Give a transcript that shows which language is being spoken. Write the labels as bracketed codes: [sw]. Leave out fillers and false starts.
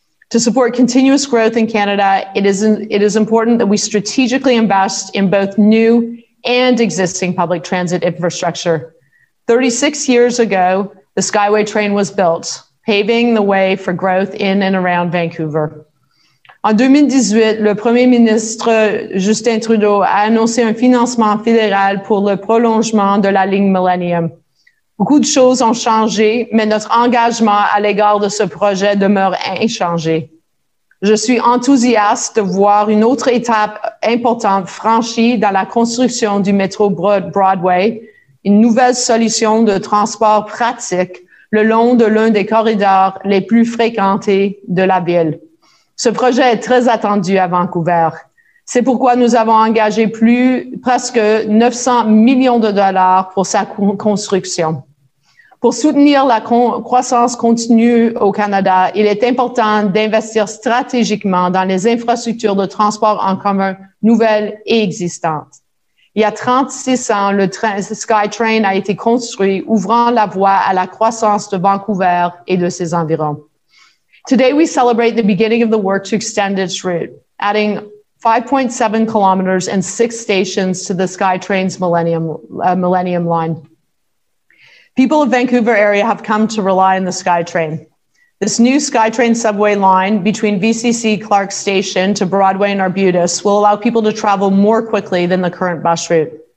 [en] To support continuous growth in Canada, it is important that we strategically invest in both new and existing public transit infrastructure. 36 years ago, the Skyway train was built, paving the way for growth in and around Vancouver. [fr] En 2018, le premier ministre Justin Trudeau a annoncé un financement fédéral pour le prolongement de la ligne Millennium. Beaucoup de choses ont changé, mais notre engagement à l'égard de ce projet demeure inchangé. Je suis enthousiaste de voir une autre étape importante franchie dans la construction du métro Broadway, une nouvelle solution de transport pratique le long de l'un des corridors les plus fréquentés de la ville. Ce projet est très attendu à Vancouver. C'est pourquoi nous avons engagé presque 900 millions de dollars pour sa construction. Pour soutenir la croissance continue au Canada, il est important d'investir stratégiquement dans les infrastructures de transport en commun nouvelles et existantes. Il y a 36 ans, le SkyTrain a été construit, ouvrant la voie à la croissance de Vancouver et de ses environs. [en] Today, we celebrate the beginning of the work to extend its route, adding 5.7 kilometers and six stations to the SkyTrain's Millennium Line. People of Vancouver area have come to rely on the SkyTrain. This new SkyTrain subway line between VCC Clark Station to Broadway and Arbutus will allow people to travel more quickly than the current bus route.